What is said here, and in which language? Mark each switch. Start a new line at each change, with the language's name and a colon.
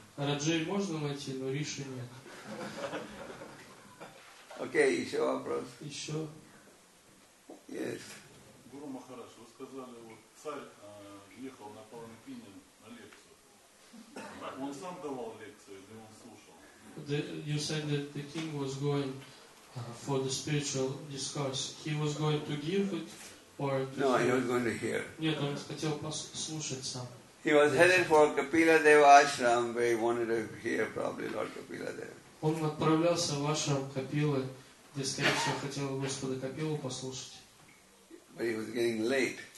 Russian: Раджей можно найти, но Риши нет. Okay, еще вопрос. Еще.
English: Yes.
Russian: Гуру Махарадж, вы сказали, вот царь ехал на Паланкине на лекцию. Он сам давал лекцию, или он слушал?
English: The, you said that the king was going for the spiritual discourse. He was going to give it, or to no, hear? He was going to hear.
Russian: Нет, он хотел слушать сам.
English: He was headed for Kapila Deva Ashram, where he wanted to hear probably Lord Kapila Deva.
Russian: Он отправлялся в ашрам Капилы, где, скорее всего, хотел Господа Капилу послушать.
English: But he was getting late.